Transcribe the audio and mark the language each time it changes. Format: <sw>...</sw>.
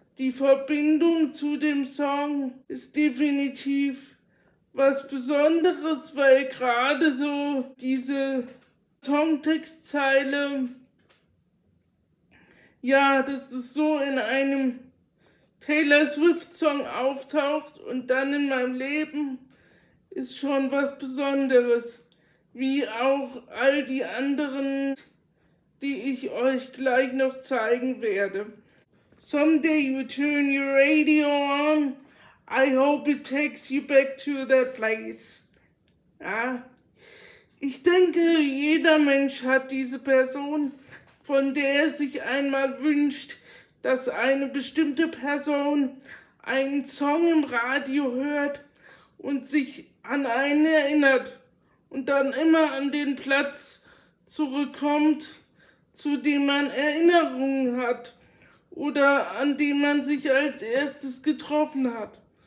<de>Die Verbindung zu dem Song ist definitiv was Besonderes, weil gerade so diese Songtextzeile, ja, dass es so in einem Taylor Swift Song auftaucht und dann in meinem Leben, ist schon was Besonderes. Wie auch all die anderen, die ich euch gleich noch zeigen werde.</de> <en>Someday you turn your radio on, I hope it takes you back to that place.</en> <de>Ja. Ich denke, jeder Mensch hat diese Person, von der sich einmal wünscht, dass eine bestimmte Person einen Song im Radio hört und sich an einen erinnert und dann immer an den Platz zurückkommt, zu dem man Erinnerungen hat oder an dem man sich als erstes getroffen hat.</de>